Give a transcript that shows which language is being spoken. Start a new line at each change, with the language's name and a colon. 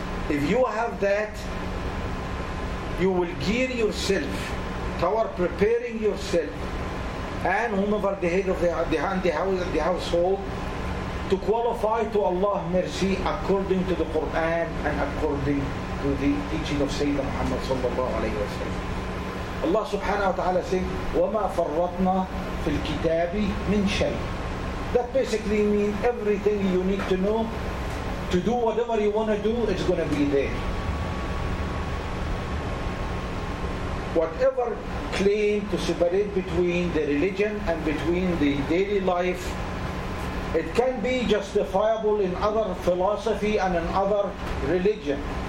English: If you have that, you will gear yourself toward preparing yourself and whomever the head of the household to qualify to Allah's mercy according to the Quran and according to the teaching of Sayyidina Muhammad sallallahu alayhi wa sallam.
Arabic: Allah subhanahu wa ta'ala said, وَمَا فَرَّطْنَا فِي الْكِتَابِ مِنْ شَيْءٍ.
English: That basically means everything you need to know to do whatever you want to do, it's going to be there. Whatever claim to separate between the religion and between the daily life, it can be justifiable in other philosophy and in other religion.